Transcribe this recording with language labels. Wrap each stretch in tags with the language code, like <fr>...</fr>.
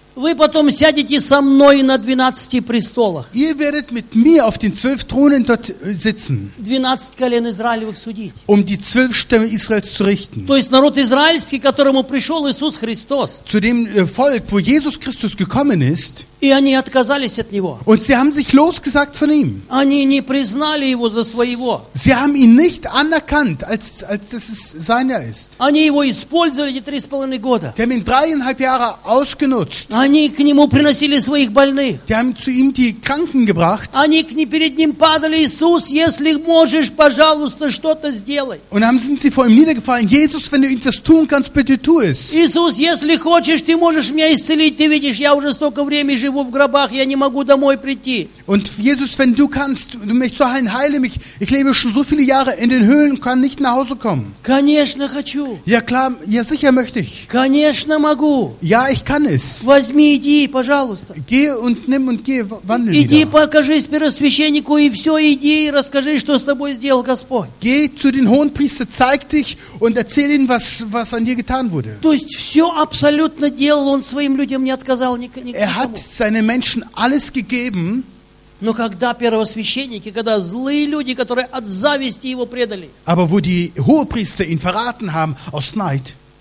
<ru>вы потом сядете со мной на 12 престолах.</ru> <de>Ihr werdet mit mir auf den 12 Thronen dort sitzen.</de> <ru>12 колен Израилевых судить.</ru> <de>Um die 12 Stämme Israels zu richten.</de> <ru>То есть народ израильский, к которому пришел Иисус Христос.</ru> <de>Zu dem Volk, wo Jesus Christus gekommen ist.</de> <ru>И они отказались от него.</ru> <de>Und sie haben sich losgesagt von ihm.</de> <ru>Они не признали его за своего.</ru> <de>Sie haben ihn nicht anerkannt, als dass es seiner ist.</de> <ru>Они его использовали эти 3,5 года.</ru> <de>Die haben ihn 3,5 Jahre ausgenutzt.</de> <ru>Они к нему приносили своих больных.</ru> <de>Die haben zu ihm die Kranken gebracht.</de> <ru>Они к ним перед ним падали: Иисус, если можешь, пожалуйста, что-то сделай.</ru> <de>Und haben sind sie vor ihm niedergefallen: Jesus, wenn du etwas tun kannst, bitte tu es.</de> <ru>Иисус, если хочешь, ты можешь меня исцелить. Ты видишь, я уже столько времени живу в гробах, я не могу домой прийти.</ru> <de>Und Jesus, wenn du kannst, du mich zu heilen, heile mich. Ich lebe schon so viele Jahre in den Höhlen, kann nicht nach Hause kommen.</de> <ru>Конечно, хочу.</ru> <de>Ja klar, ja sicher möchte ich.</de> <ru>Конечно, могу.</ru> <de>Ja, ich kann es.</de> <ru>Возьми, иди, пожалуйста.</ru> <de>Geh und nimm und geh, wandle wieder.</de> <ru>Иди, покажись первосвященнику и все, иди, расскажи, что с тобой сделал Господь.</ru> <de>Geh zu den hohen Priester, zeig dich und erzähl ihnen, was an dir getan wurde.</de> <ru>То есть все абсолютно делал, он своим людям не отказал никому.</ru> <de>Er hat seinen Menschen alles gegeben.</de> <ru>Но когда первосвященники, когда злые люди, которые от зависти его предали.</ru> <de>Aber wo die Hohepriester ihn verraten haben aus Neid.</de>